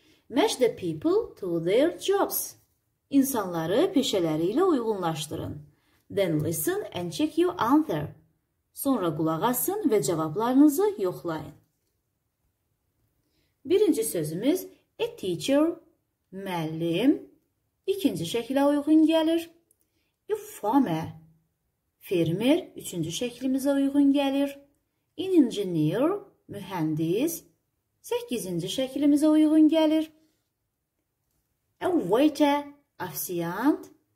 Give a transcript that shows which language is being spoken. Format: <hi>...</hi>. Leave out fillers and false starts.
<en>Match the people to their jobs.</en> <az>İnsanları peşələri ilə uyğunlaşdırın.</az> <en>Then listen and check your answer.</en> <az>Sonra qulaq asın və cavablarınızı yoxlayın. Birinci sözümüz a teacher, müəllim. İkinci şəklə uyğun gəlir. A farmer, fermer. Üçüncü şəklimizə uyğun gəlir. An engineer, mühəndis. Səkizinci şəklimizə uyğun gəlir. A waiter, afsiyant.</az>